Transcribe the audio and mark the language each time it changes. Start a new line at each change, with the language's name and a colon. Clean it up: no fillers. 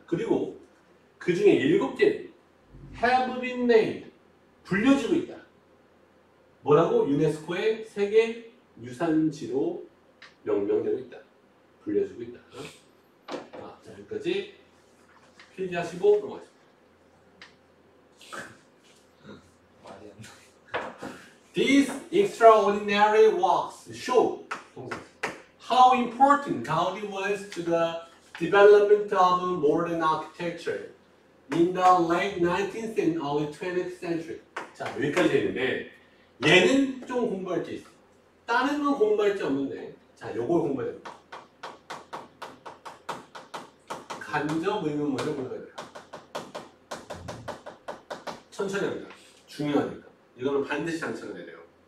Korean: 그리고 그 중에 일곱 개는
English: have been named,
Korean: 불려지고 있다. 뭐라고? 유네스코의 세계 유산지로 명명되고 있다. 불려주고 있다. 아, 자, 여기까지 필기하시고 넘어가겠습니다.
English: These extraordinary works show how important Gaudi was to the development of modern architecture in the late 19th and early 20th century.
Korean: 자, 여기까지 했는데 얘는 좀 공부할 게 있어. 다른 건 공부할 게 없는데 자, 요걸 공부해야 돼. 간접 의문문을 공부해야 돼. 천천히 합니다. 중요하니까. 이거는 반드시 장착을 해야 돼요.